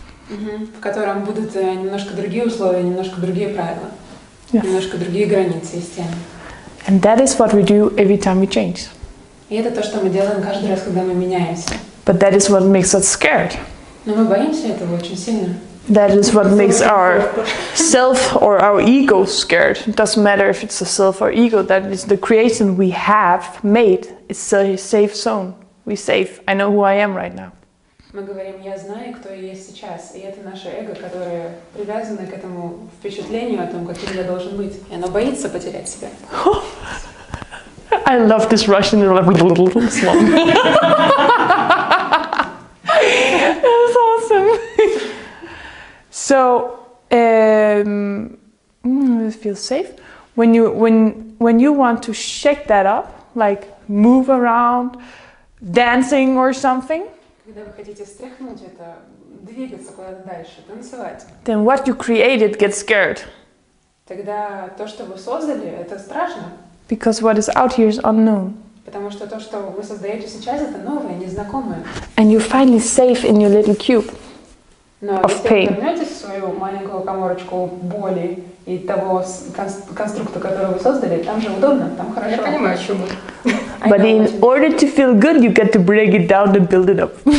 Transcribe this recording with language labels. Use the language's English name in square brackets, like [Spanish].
[Russian] В котором будут немножко другие условия, немножко другие правила, немножко другие границы и стены. [English] And that is what we do every time we change. [Russian] И это то, что мы делаем каждый раз, когда мы меняемся. [English] But that is what makes us scared. [Russian] Но мы боимся этого очень сильно. [English] That is what makes our self or our ego scared. It doesn't matter if it's a self or ego. That is the creation we have made. It's a safe zone. We're safe. I know who I am right now. [Russian] Мы говорим, я знаю, кто я есть сейчас. И это наше эго, которое привязано к этому впечатлению о том, каким я должен быть. И оно боится потерять себя. [English] I love this Russian little song. That's awesome. So, it feels safe. When you want to shake that up, like move around, dancing or something, [Russian] когда вы хотите встряхнуть это, двигаться куда-то дальше, танцевать, [English] then what you created gets scared. [Russian] Тогда то, что вы создали, это страшно. [English] Because what is out here is unknown. [Russian] Потому что то, что вы создаете сейчас, это новое, незнакомое. [English] And you're finally safe in your little cube. [Russian] Но [English] of pain. [Russian] Если вы вернетесь в свою маленькую коморочку боли и того конструкта, который вы создали, там же удобно, там хорошо. Я понимаю, о чем вы. [English] But in order to feel good, you got to break it down and build it up.